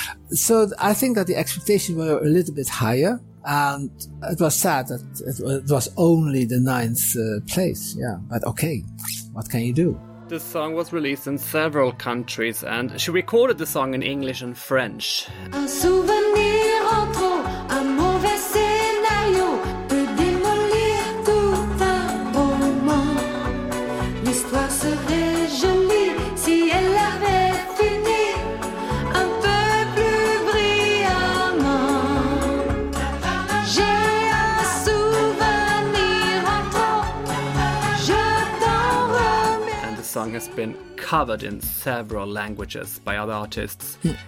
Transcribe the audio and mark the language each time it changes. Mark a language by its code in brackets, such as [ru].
[en] So I think that the expectations were a little bit higher. And it was sad that it was only the ninth place. Yeah. But okay, what can you do? The song was released in several countries, and she recorded the song in English and French. [fr] Un souvenir en trop, un mauvais scénario peut démolir tout un roman. L'histoire serait jolie si elle avait fini un peu plus brillamment. J'ai un souvenir en trop, je t'en remets. [en] And the song has been covered in several languages by other artists.